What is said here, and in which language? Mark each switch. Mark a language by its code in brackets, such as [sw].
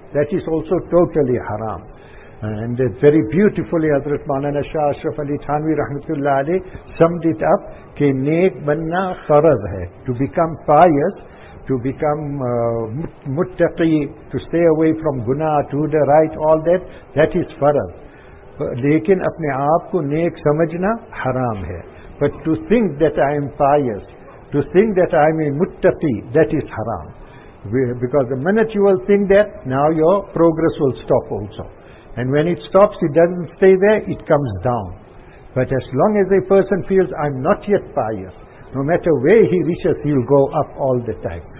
[en] That is also totally haram. And very beautifully, Hazrat Maulana Shah Ashraf Ali Thanvi Rahmatullah Ali summed it up, [ur] ke nek banna farz hai, [en] to become pious, to become muttaqi, to stay away from guna, to the right, all that is farz. [ur] لیکن اپنے آپ کو نیک سمجھنا حرام ہے. [en] But to think that I am pious, to think that I am a muttaqi, that is haram. Because the minute you will think that, now your progress will stop also. And when it stops, it doesn't stay there, it comes down. But as long as a person feels I am not yet pious, no matter where he reaches, he will go up all the time.